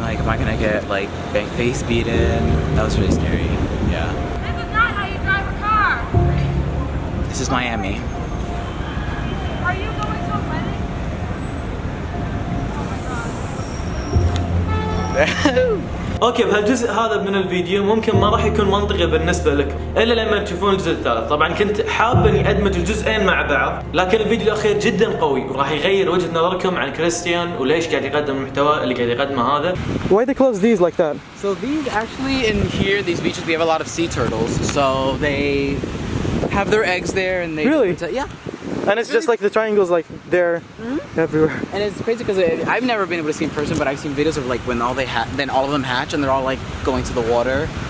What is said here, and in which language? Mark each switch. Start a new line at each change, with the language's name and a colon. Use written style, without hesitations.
English: Like, am I gonna get, like, face beaten? That was really scary. Yeah. This is not how you drive a car. This is Miami. Are you going to a wedding? Oh my god.
Arabic: اوكي بهالجزء هذا من الفيديو ممكن ما راح يكون منطقي بالنسبة لك الا لما تشوفون الجزء الثالث. طبعا كنت حابب اني ادمج الجزئين مع بعض، لكن الفيديو الاخير جدا قوي وراح يغير وجهة نظركم عن كريستيان وليش قاعد يقدم المحتوى اللي قاعد يقدمه هذا.
English: Why they close these like that? So these actually in here, these beaches, we have a lot of sea turtles, so they have their eggs there and they really yeah. And it's just like the triangles, like, they're mm-hmm. everywhere. And it's crazy because I've never been able to see in person, but I've seen videos of, like, when all of them hatch and they're all, like, going to the water.